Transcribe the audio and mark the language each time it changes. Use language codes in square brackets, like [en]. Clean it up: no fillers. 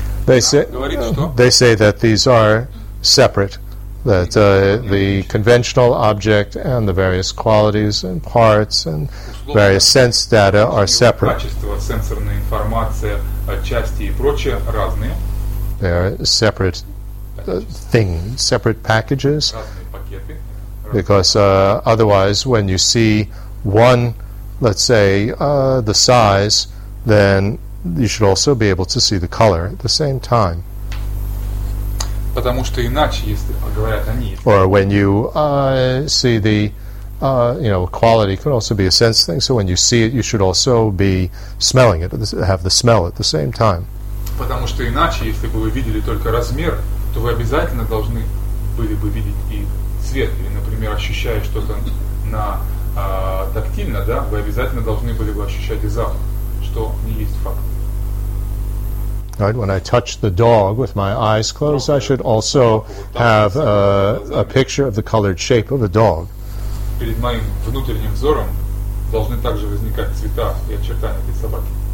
[en] They say that these are separate, that the conventional object and the various qualities and parts and various sense data are separate. [ru] Качество, сенсорная информация, части и прочее разные. [en] They are separate things, separate packages, because otherwise when you see one, let's say, the size, then you should also be able to see the color at the same time. [ru] Потому что иначе, если говорят они... [en] Or when you see the you know, quality, could also be a sense thing, so when you see it, you should also be smelling it, have the smell at the same time. [ru] Потому что иначе, если бы вы видели только размер, то вы обязательно должны были бы видеть и цвет, или, например, ощущая что-то на тактильно, да, вы обязательно должны были бы ощущать и запах, что не есть факт. [en] Right, when I touch the dog with my eyes closed, I should also have a picture of the colored shape of the dog. [ru] Перед моим внутренним взором должны также возникать цвета и очертания этой собаки.